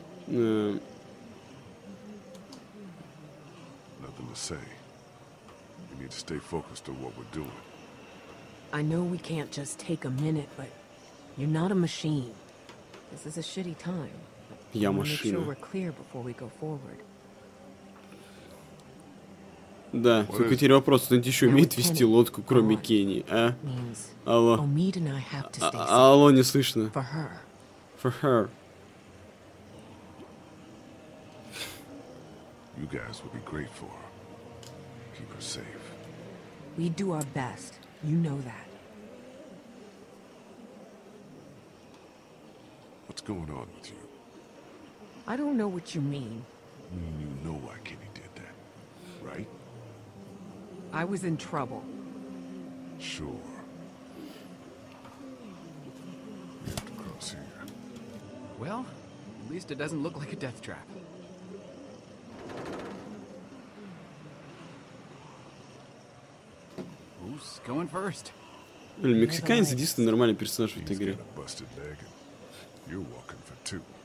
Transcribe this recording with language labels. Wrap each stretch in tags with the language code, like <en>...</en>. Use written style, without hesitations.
<en>Nothing to say. We need to stay focused on what we're doing. I know we can't just take a minute, but you're not a machine. This is a shitty time.</en> <ru>Я машина.</ru> <en>Make sure we're clear before we go forward.</en> <ru>Да, только теперь вопрос, он еще умеет вести лодку, кроме Кенни, а? Алло. Алло, не слышно.</ru> <en>For her. You guys will be grateful. Keep her safe. We do our best. You know that. What's going on with you? I don't know what you mean. You know why Kenny did that, right? I was in trouble. Sure. We have to cross here. Well, at least it doesn't look like a death trap. Who's going first?</en> <ru>Блин, мексиканец единственный нормальный персонаж в этой игре.</ru> <en>He's got a busted leg and you're walking for two.</en>